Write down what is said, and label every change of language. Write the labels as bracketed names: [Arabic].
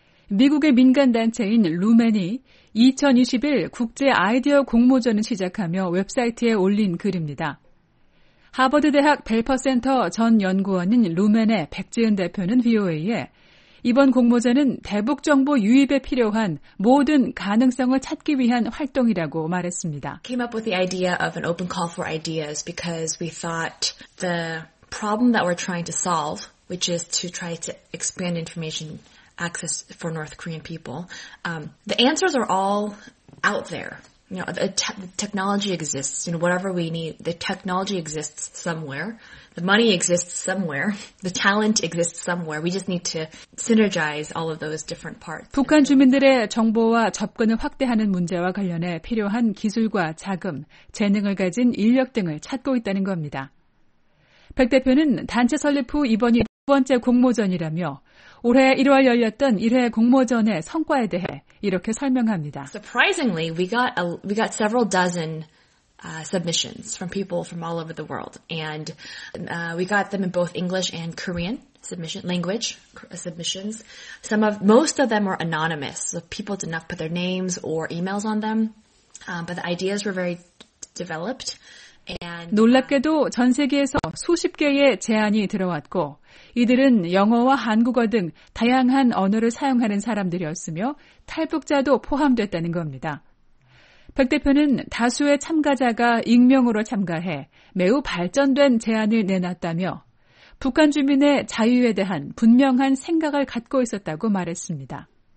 [Korean] 미국의 민간단체인 루맨이 2021 국제 아이디어 공모전을 시작하며 웹사이트에 올린 글입니다. 하버드대학 벨퍼센터 전 연구원인 루멘의 백지은 대표는 VOA에 이번 공모전은 대북 정보 유입에 필요한 모든 가능성을 찾기 위한 활동이라고 말했습니다. [English] Came up with the idea of an open call for ideas because we thought the problem that we're trying to solve, which is to try to expand information access for North Korean people, the answers are all out there. You know, the technology exists, you know, whatever we need, the technology exists somewhere, the money exists somewhere, the talent exists somewhere. We just need to synergize all of those different parts. [Korean] 북한 주민들의 정보와 접근을 확대하는 문제와 관련해 필요한 기술과 자금, 재능을 가진 인력 등을 찾고 있다는 겁니다. 백 대표는 단체 설립 후 이번이 두 번째 공모전이라며 올해 1월 열렸던 1회 공모전의 성과에 대해 이렇게 설명합니다. [English] Surprisingly, we got several dozen submissions from people from all over the world, and we got them in both English and Korean submissions. Most of them were anonymous, so people did not put their names or emails on them, but the ideas were very developed. And [Korean] 놀랍게도 전 세계에서 수십 개의 제안이 들어왔고. 이들은 영어와 한국어 등 다양한 언어를 사용하는 사람들이었으며 탈북자도 포함됐다는 겁니다. 백 대표는 다수의 참가자가 익명으로 참가해 매우 발전된 제안을 내놨다며 북한 주민의 자유에 대한 분명한 생각을 갖고 있었다고 말했습니다.